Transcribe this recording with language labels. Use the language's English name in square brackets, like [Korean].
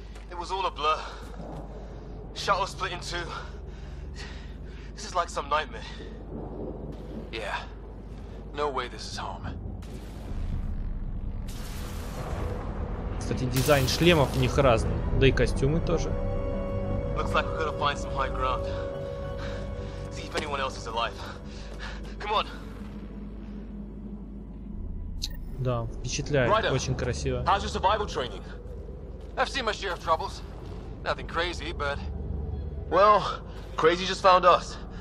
[English] It was all a blur. Shuttle split in two. This is like some nightmare. Yeah. No way this is home. [Russian] Кстати, дизайн шлемов у них разный, да и костюмы тоже. [English] Looks like we're gonna find some high ground. See if anyone else is alive. Come on. [Russian] Да, впечатляет, Ryder, очень красиво. [English] How's your survival training? I've seen my share of troubles. Nothing crazy, but well, crazy just found us.